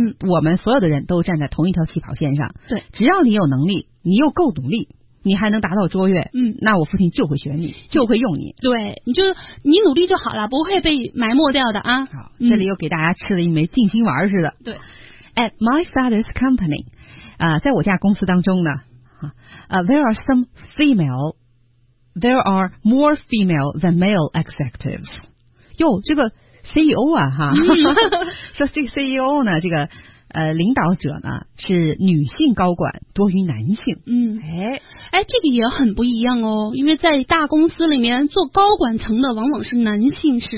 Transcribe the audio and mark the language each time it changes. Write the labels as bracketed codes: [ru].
[zh] 我们所有的人都站在同一条起跑线上。对，只要你有能力，你又够努力，你还能达到卓越，那我父亲就会选你，就会用你。对，你努力就好了，不会被埋没掉的啊。好，这里又给大家吃了一枚定心丸似的。对 [en] ，At my father's company， [zh] 在我家公司当中呢， [en] there are some female, there are more female than male executives. [zh] 哟，这个 CEO 啊，哈，说这个 CEO 呢，这个领导者呢是女性高管多于男性。嗯，哎，这个也很不一样哦，因为在大公司里面做高管层的往往是男性是